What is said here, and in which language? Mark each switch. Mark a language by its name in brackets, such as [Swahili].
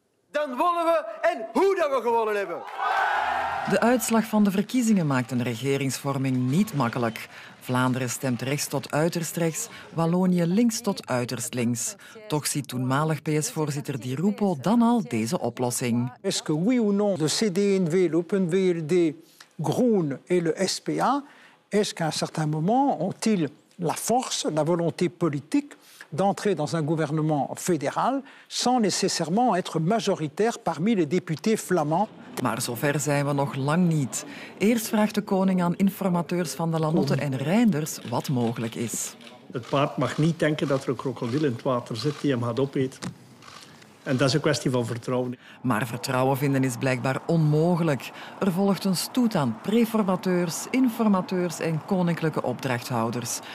[Dutch] Dan wonnen we en hoe dat we gewonnen hebben. De uitslag van de verkiezingen maakt een regeringsvorming niet makkelijk. Vlaanderen stemt rechts tot uiterst rechts, Wallonië links tot uiterst links. Toch ziet toenmalig PS-voorzitter Di Rupo dan al deze oplossing. [French] Est-ce que oui ou non de CD&V, l'Open VLD, Groen et le SPA, est-ce qu'à un certain moment ont-ils la force, la volonté politique d'entrer dans un gouvernement fédéral sans nécessairement être majoritaire parmi les députés flamands? [Dutch] Maar zover zijn we nog lang niet. Eerst vraagt de koning aan informateurs van de Lanotte en Reinders wat mogelijk is. Het paard mag niet denken dat er een krokodil in het water zit die hem gaat opeten. En dat is een kwestie van vertrouwen. Maar vertrouwen vinden is blijkbaar onmogelijk. Er volgt een stoet aan preformateurs, informateurs en koninklijke opdrachthouders.